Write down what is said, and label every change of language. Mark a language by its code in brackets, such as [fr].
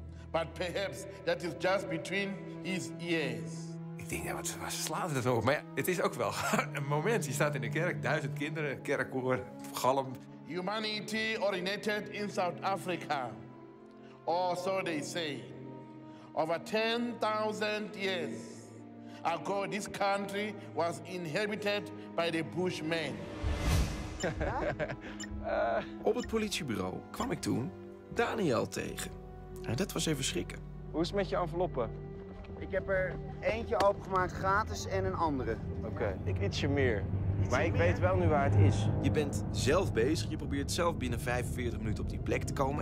[en] But perhaps that is just between his ears. [nl] Ik denk, ja, wat slaat het over? Maar ja, het is ook wel een moment. Je staat in de kerk, 1000 kinderen, kerkkoor, galm. [en] Humanity originated in South Africa, or so they say. Over 10,000 years ago, this country was inhabited by the Bushmen. [nl] Op het politiebureau kwam ik toen Daniel tegen. En dat was even schrikken. Hoe is het met je enveloppen? Ik heb er eentje opengemaakt gratis en een andere. Oké, okay. Ietsje meer. Maar ik weet wel nu waar het is. Je bent zelf bezig, je probeert zelf binnen 45 minuten op die plek te komen...